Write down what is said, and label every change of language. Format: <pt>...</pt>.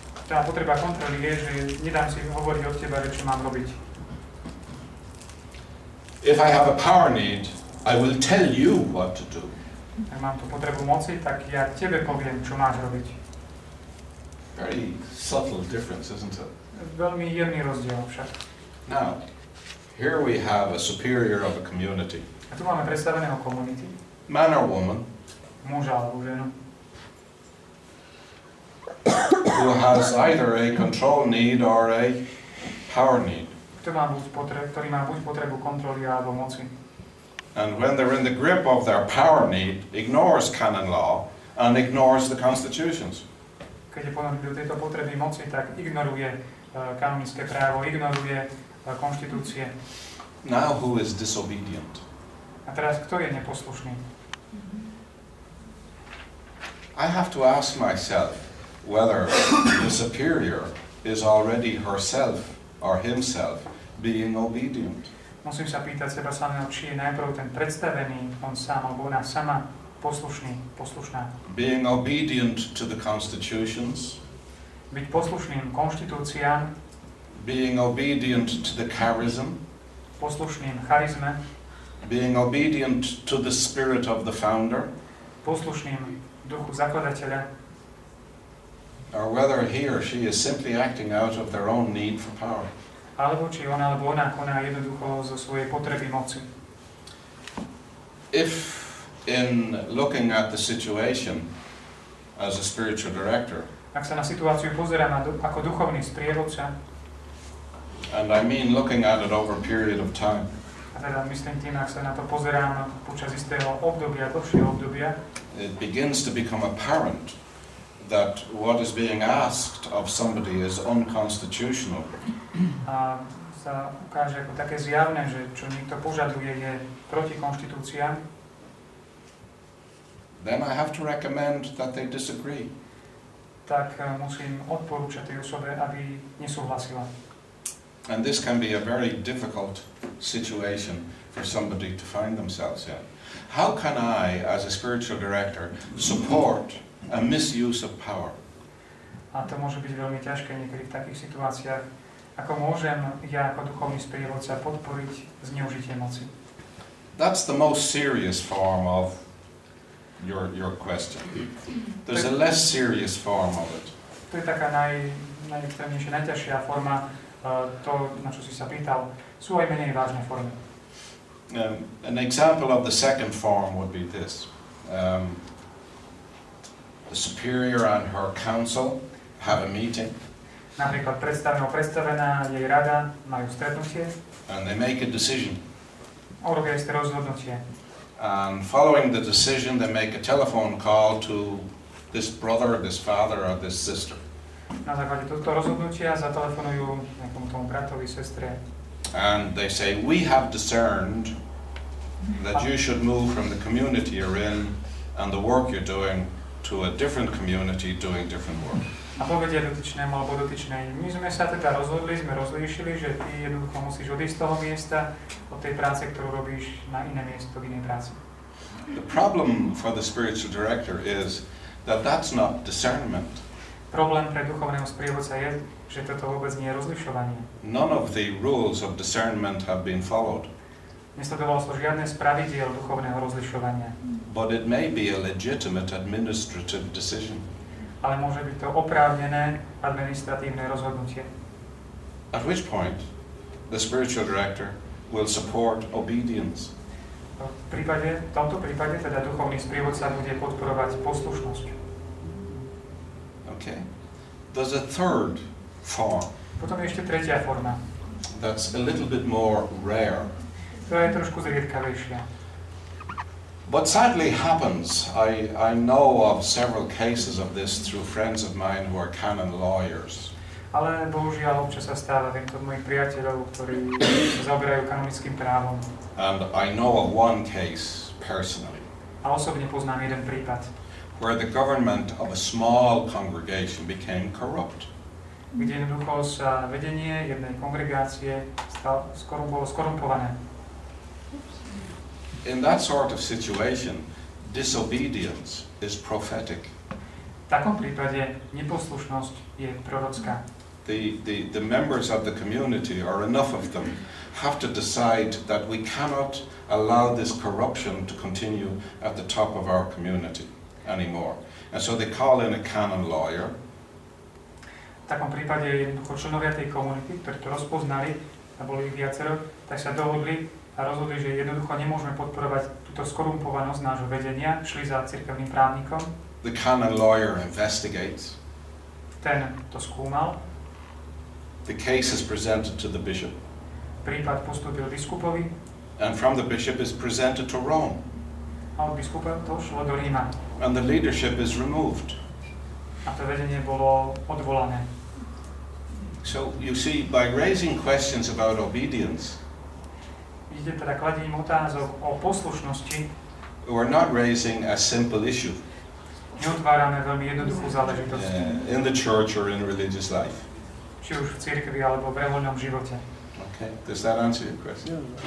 <sk>Tá potreba kontroly je, že nedám si hovoriť od teba, čo mám robiť.</sk> <en>If I have a power need, I will tell you what to do.</en> <sk>Ak mám tú potrebu moci, tak ja tebe poviem, čo máš robiť.</sk> <en>Very subtle difference, isn't it?</en> <sk>Veľmi jemný rozdiel však.</sk> <en>Now, here we have a superior of a community.</en> <sk>A tu máme predstaveného komunity.</sk> <en>Man or woman.</en> <sk>Muž alebo ženu.</sk> <en>Who has either a control need or a power need.</en> <sk>Ktorý má buď potrebu kontroly alebo moci.</sk> <en>And when they're in the grip of their power need, ignores canon law and ignores the constitutions.</en> <sk>Keď je ponorený do tejto potreby moci, tak ignoruje kanonické právo, ignoruje konštitúcie.</sk> <en>Now who is disobedient?</en> <sk>A teraz, kto je neposlušný?</sk> <en>I have to ask myself whether the superior is already herself or himself being obedient.</en> <sk>Musím sa pýtať seba samého, či je najprv ten predstavený, on sám alebo ona sama, poslušný, poslušná.</sk> <en>Being obedient to the constitutions.</en> <sk>Byť poslušným konštitúciám.</sk> <en>Being obedient to the charism.</en> <sk>Poslušným charizme.</sk> <en>Being obedient to the spirit of the founder.</en> <sk>Poslušným duchu zakladateľa.</sk> <en>Or whether he or she is simply acting out of their own need for power.</en> <sk>Alebo či ona alebo ona koná jednoducho zo svojej potreby moci.</sk> <en>If in looking at the situation as a spiritual director.</en> <sk>Ak sa na situáciu pozerám ako duchovný sprievodca.</sk> <en>And I mean looking at it over a period of time.</en> <sk>A teda myslím tým, ak sa na to pozerám počas istého obdobia, dlhšieho obdobia.</sk> <en>It begins to become apparent that what is being asked of somebody is unconstitutional.</en> <sk>A sa ukáže ako také zjavné, že čo niekto požaduje je proti konštitúcii.</sk> <en>Then I have to recommend that they disagree.</en> <sk>Tak musím odporúčať tej osobe, aby nesúhlasila.</sk> <en>And this can be a very difficult situation for somebody to find themselves in. How can I, as a spiritual director, support a misuse of power?</en> <sk>A to môže byť veľmi ťažké niekedy v takých situáciách. Ako môžem ja ako duchovný sprievodca podporiť zneužitie moci?</sk> <en>That's the most serious form of your question. There's a less serious form of it.</en> <sk>To je taká najextrémnejšia, najťažšia forma to, na čo si sa pýtal. Sú aj menej vážne formy.</sk> <en>An example of the second form would be this. The superior and her council have a meeting.</en> <sk>Napríklad predstavená, predstavená jej rada majú stretnutie.</sk> <en>And they make a decision.</en> <sk>Urobia isté rozhodnutie.</sk> <en>And following the decision, they make a telephone call to this brother, this father, or this sister.</en> <sk>Na základe tohto rozhodnutia zatelefonujú nejakomu tomu bratovi, sestre.</sk> <en>And they say, we have discerned that you should move from the community you're in and the work you're doing to a different community doing different work.</en> <sk>A povedia dotyčnému alebo dotyčnej, my sme sa teda rozhodli, sme rozlíšili, že ty jednoducho musíš odísť z toho miesta, od tej práce, ktorú robíš, na iné miesto, v inej práci.</sk> <en>The problem for the spiritual director is that that's not discernment.</en> <sk>Problém pre duchovného sprievodca je, že toto vôbec nie je rozlišovanie.</sk> <en>None of the rules of discernment have been followed.</en> <sk>Nesledovalo sa žiadne z pravidiel duchovného rozlišovania.</sk> <en>But it may be a legitimate administrative decision.</en> <sk>Ale môže byť to oprávnené administratívne rozhodnutie.</sk> <en>At which point the spiritual director will support obedience.</en> <sk>V tomto prípade teda duchovný sprievodca bude podporovať poslušnosť.</sk> <en>Okay. There's a third form.</en> <sk>Potom je ešte tretia forma.</sk> <en>That's a little bit more rare.</en> <sk>To je trošku zriedkavejšia.</sk> <en>What sadly happens, I know of several cases of this through friends of mine who are canon lawyers.</en> <sk>Ale bohužiaľ občas sa stáva, viem to od mojich priateľov, ktorí sa zaoberajú kanonickým právom.</sk> <en>And I know of one case personally.</en> <sk>A osobne poznám jeden prípad.</sk> <en>Where the government of a small congregation became corrupt.</en> <sk>Kde jednoducho sa vedenie jednej kongregácie bolo skorumpované.</sk> <en>In that sort of situation, disobedience is prophetic.</en> <sk>V takom prípade neposlušnosť je prorocká.</sk> <en>The members of the community, or enough of them, have to decide that we cannot allow this corruption to continue at the top of our community anymore. And so they call in a canon lawyer.</en> <sk>V takom prípade jednoducho členovia tej komunity, ktorí to rozpoznali, a boli ich viacero, tak sa dohodli a rozhodli, že jednoducho nemôžeme podporovať túto skorumpovanosť nášho vedenia, šli za cirkevným právnikom.</sk> <en>The canon lawyer investigates.</en> <sk>Ten to skúmal.</sk> <en>The case is presented to the bishop.</en> <sk>Prípad postúpil biskupovi.</sk> <en>And from the bishop is presented to Rome.</en> <sk>A od biskupa to šlo do Ríma.</sk> <en>And the leadership is removed.</en> <sk>A to vedenie bolo odvolané.</sk> <en>So you see, by raising questions about obedience,</en> <sk>vidíte teda kladením otázok o poslušnosti,</sk> <en>we're not raising a simple issue.</en> <sk>Neotvárame veľmi jednoduchú záležitosť.</sk> <en>In the church or in religious life.</en> <sk>Či už v cirkvi alebo v reholnom živote.</sk> <en>Okay, does that answer your question?</en>